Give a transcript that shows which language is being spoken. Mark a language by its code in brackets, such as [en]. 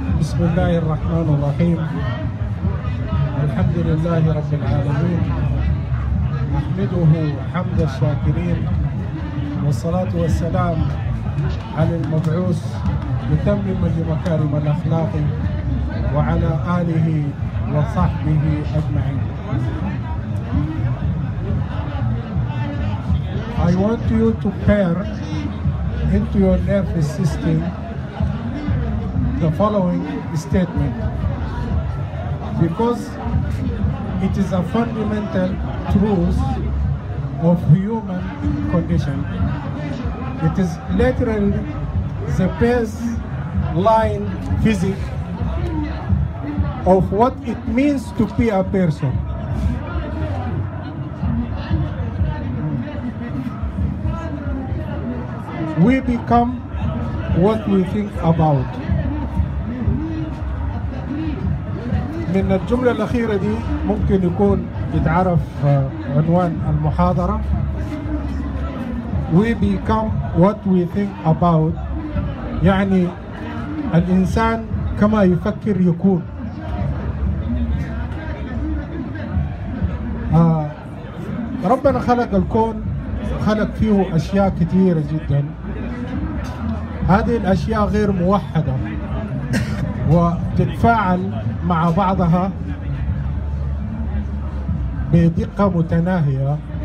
[ar] بسم الله الرحمن الرحيم، الحمد لله رب العالمين، نحمده حمد الشاكرين، والصلاة والسلام على المبعوث يتمم لمكارم الأخلاق وعلى آله وصحبه أجمعين. [en] I want you to pair into your nervous system the following statement because it is a fundamental truth of human condition. It is literally the baseline physics of what it means to be a person. We become what we think about. [ar] من الجملة الأخيرة دي ممكن يكون يتعرف عنوان المحاضرة. [en] We become what we think about. [ar] يعني الإنسان كما يفكر يكون. ربنا خلق الكون، خلق فيه أشياء كثيرة جدا. هذه الأشياء غير موحدة وتتفاعل مع بعضها بدقة متناهية.